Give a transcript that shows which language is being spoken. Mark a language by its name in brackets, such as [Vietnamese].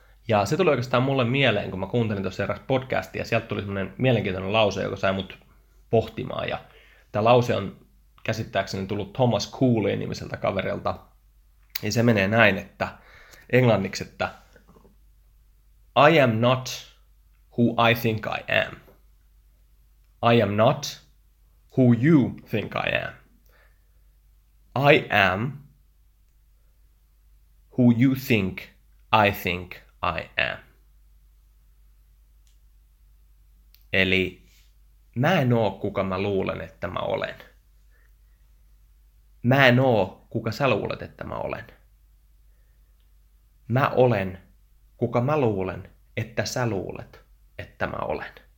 [Finnish] Ja se tuli oikeastaan mulle mieleen, kun mä kuuntelin tuossa eräs podcastia, ja sieltä tuli semmoinen mielenkiintoinen lause, joka sai mut pohtimaan. Ja tämä lause on käsittääkseni tullut Thomas Cooleyn nimiseltä kaverilta. Ja se menee näin, että englanniksi, että [English] I am not who I think I am. I am not who you think I am. I am who you think I think I am. [Finnish] Eli mä en oo kuka mä luulen, että mä olen. Mä en oo kuka sä luulet, että mä olen. Mä olen kuka mä luulen, että sä luulet, että mä olen.